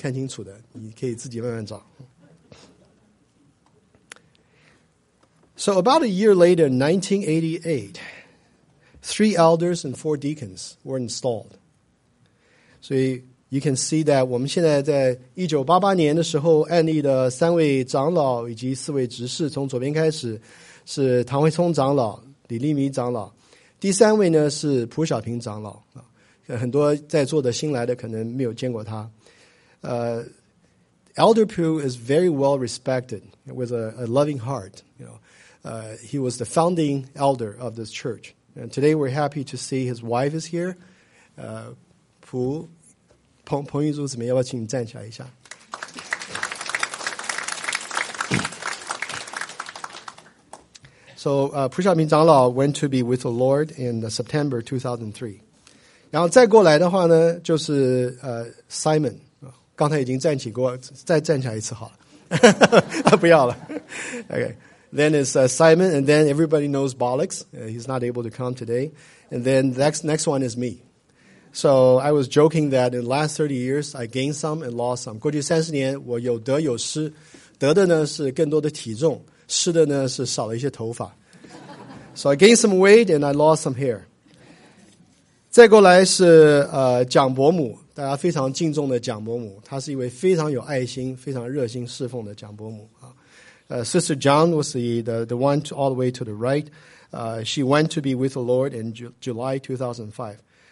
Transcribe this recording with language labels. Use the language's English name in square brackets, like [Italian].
[Chinese] 你看到黄国树长老，你看到曾林芳牧师，你看到唐慧聪长老，那个时候是他负责翻译，他现在不翻了。然后在这个诗班，你看到了黄淑娥姊妹，你看到了这个张兆元弟兄，你看到吴俊雄弟兄，也许有些人我还没有看清楚的，你可以自己慢慢找。 [English] So about a year later, 1988, three elders and four deacons were installed. So you can see that [Chinese] 我们现在在1988年的时候，安利的三位长老以及四位执事，从左边开始是唐慧聪长老、李立明长老，第三位呢是蒲小平长老。很多在座的新来的可能没有见过他。 [English] Elder Pugh is very well respected with a loving heart, you know. He was the founding elder of this church. And today we're happy to see his wife is here. [Chinese] Pu Yuzhu姊妹，要不要请你站起来一下？ [English] So, Pu Xiaoping长老went to be with the Lord in September 2003. [Chinese] 然后再过来的话呢，就是 Simon， 刚才已经站起过，再站起来一次好了。不要了。 [English] Okay. Then it's Simon, and then everybody knows Bollocks. He's not able to come today. And then the next one is me. So I was joking that in the last 30 years, I gained some and lost some. [Chinese] 过去30年,我有得有失, 得的呢是更多的体重,失的呢是少了一些头发. [English] So I gained some weight and I lost some hair. [Chinese] 再过来是蒋伯母,大家非常敬重的蒋伯母,她是一位非常有爱心,非常热心侍奉的蒋伯母。 [English] Sister John was the one to, all the way to the right. She went to be with the Lord in July 2005.